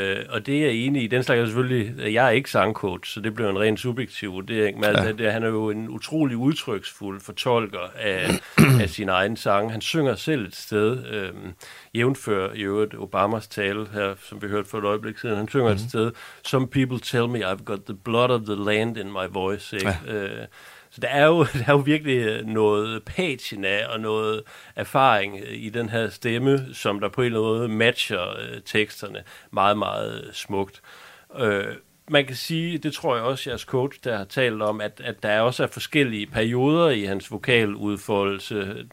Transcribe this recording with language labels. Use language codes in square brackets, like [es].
[da] Og det er jeg enig i. Den slags er selvfølgelig, at jeg er ikke sangcoach, så det bliver en rent subjektiv vurdering. Men han er jo en utrolig udtryksfuld fortolker af sin egen sang. Han synger selv et sted, jævnfør i øvrigt Obamas tale her, som vi hørte for et øjeblik siden. Han synger et sted, [en] "Some people tell me I've got the blood of the land in my voice." [da] Ikke? Så der er jo virkelig noget patina og noget erfaring i den her stemme, som der på en eller anden måde matcher teksterne meget, meget smukt. Man kan sige, det tror jeg også jeres coach, der har talt om, at der også er forskellige perioder i hans vokaludfoldelse.